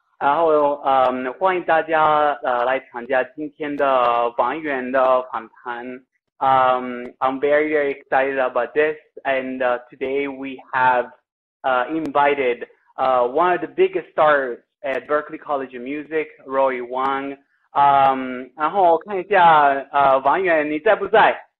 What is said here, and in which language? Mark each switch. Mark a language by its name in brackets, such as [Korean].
[Chinese] 然后欢迎大家来参加今天的王源的访谈。 [English] I'm very, very excited about this. And today we have invited one of the biggest stars at Berklee College of Music, Roy Wang. [Chinese] 然后看一下王源你在不在？